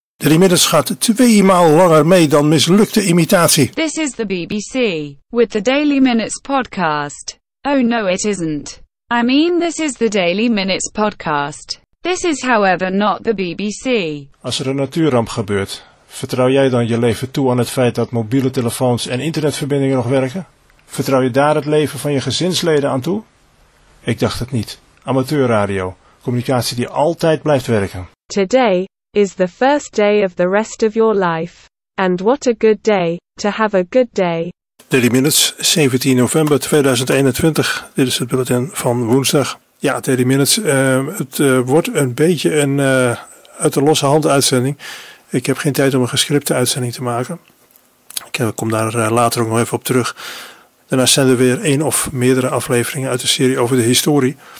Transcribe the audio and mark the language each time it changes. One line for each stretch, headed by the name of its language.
Dutch: Inmiddels gaat twee maal langer mee dan mislukte imitatie.
English: This is the BBC, with the Daily Minutes podcast. Oh no, it isn't. I mean, this is the Daily Minutes podcast. This is however not the BBC.
Dutch: Als er een natuurramp gebeurt, vertrouw jij dan je leven toe aan het feit dat mobiele telefoons en internetverbindingen nog werken? Vertrouw je daar het leven van je gezinsleden aan toe? Ik dacht het niet. Amateurradio, communicatie die altijd blijft werken.
English: Today is the first day of the rest of your life. And what a good day, to have a good day. Daily Minutes, 17 november 2021.
Dutch: Dit is het bulletin van woensdag. Ja, Daily Minutes, wordt een beetje een uit de losse hand uitzending. Ik heb geen tijd om een gescripte uitzending te maken. Ik kom daar later ook nog even op terug. Daarna zenden we weer één of meerdere afleveringen uit de serie over de historie.